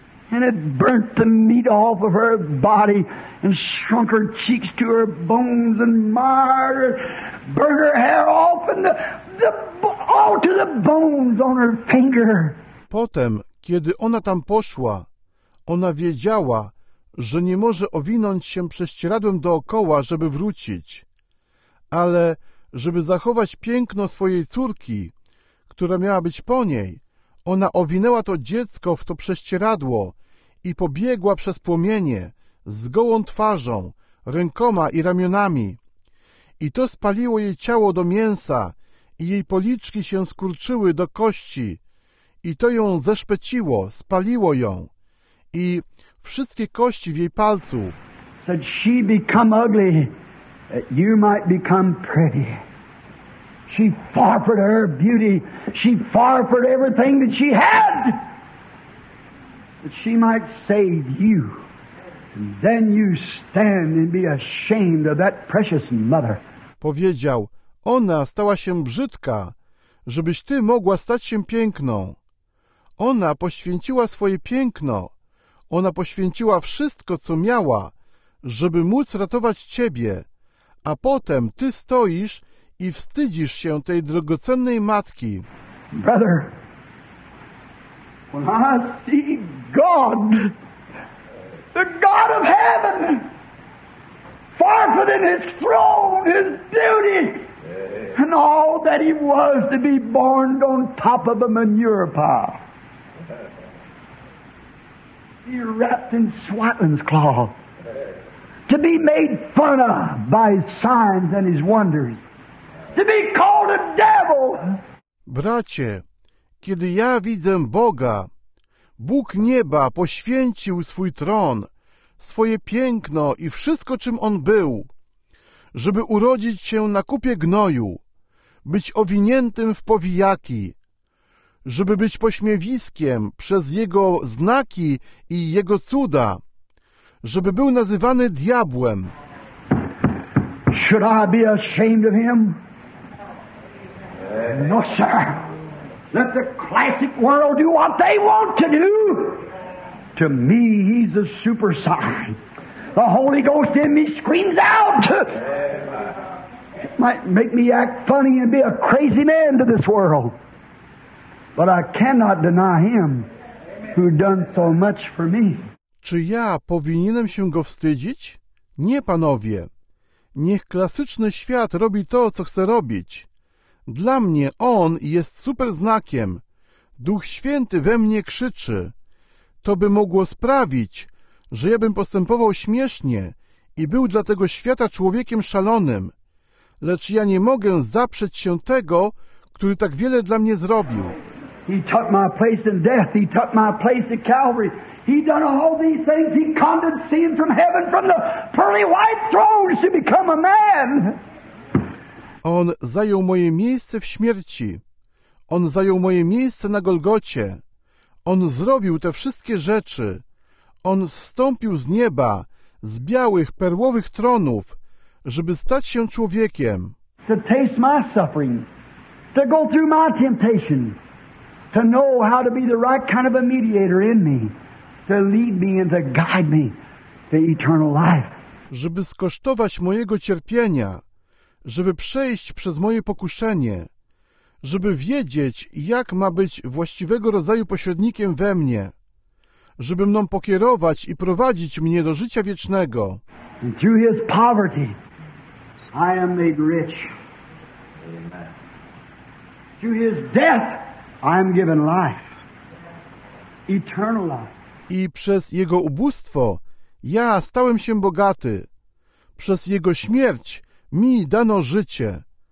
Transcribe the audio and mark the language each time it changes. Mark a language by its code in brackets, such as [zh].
[en] And it burnt the meat off of her body and shrunk her cheeks to her bones and marred her, burnt her hair off and the all to the bones on her finger. [pl] Potem, kiedy ona tam poszła, ona wiedziała, że nie może owinąć się prześcieradłem dookoła, żeby wrócić. Ale żeby zachować piękno swojej córki, która miała być po niej, ona owinęła to dziecko w to prześcieradło i pobiegła przez płomienie z gołą twarzą, rękoma i ramionami. I to spaliło jej ciało do mięsa i jej policzki się skurczyły do kości. I to ją zeszpeciło, spaliło ją. I wszystkie kości w jej palcu. [en] Said she become ugly, that you might become pretty. She forfeited her beauty. She forfeited everything that she had, that she might save you. And then you stand and be ashamed of that precious mother. [pl] Powiedział, ona stała się brzydka, żebyś ty mogła stać się piękną. Ona poświęciła swoje piękno. Ona poświęciła wszystko, co miała, żeby móc ratować ciebie. A potem ty stoisz i wstydzisz się tej drogocennej matki. [en] Brother, when I see God, the God of heaven, forfeiting his throne, his beauty, and all that he was to be born on top of a manure pile. Be wrapped in swaddling's cloth, to be made fun of by his signs and his wonders, to be called a devil. [pl] Bracie, kiedy ja widzę Boga, Bóg nieba poświęcił swój tron, swoje piękno i wszystko, czym on był, żeby urodzić się na kupie gnoju, być owiniętym w powijaki, żeby być pośmiewiskiem przez jego znaki i jego cuda, żeby był nazywany diabłem. [en] Should I be ashamed of him? No, sir. Let the classic world do what they want to do. To me, he's a super sign. The Holy Ghost in me screams out. It might make me act funny and be a crazy man to this world. But I cannot deny him who done so much for me. [pl] Czy ja powinienem się go wstydzić? Nie, panowie. Niech klasyczny świat robi to, co chce robić. Dla mnie on jest super znakiem. Duch Święty we mnie krzyczy. To by mogło sprawić, że ja bym postępował śmiesznie i był dla tego świata człowiekiem szalonym. Lecz ja nie mogę zaprzeć się tego, który tak wiele dla mnie zrobił. [en] He took my place in death. He took my place at Calvary. He done all these things. He condescended from heaven, from the pearly white throne, to become a man. [pl] On zajął moje miejsce w śmierci. On zajął moje miejsce na Golgocie. On zrobił te wszystkie rzeczy. On zstąpił z nieba, z białych, perłowych tronów, żeby stać się człowiekiem. [en] To taste my suffering, to go through my temptation, to know how to be the right kind of a mediator in me, to lead me and to guide me to eternal life. [pl] Żeby skosztować mojego cierpienia, żeby przejść przez moje pokuszenie, żeby wiedzieć, jak ma być właściwego rodzaju pośrednikiem we mnie, żeby mną pokierować i prowadzić mnie do życia wiecznego. [en] And through his poverty, I am made rich. Amen. Through his death, I am given life. Eternal life. [pl] I przez jego ubóstwo ja stałem się bogaty. Przez jego śmierć mi dano życie.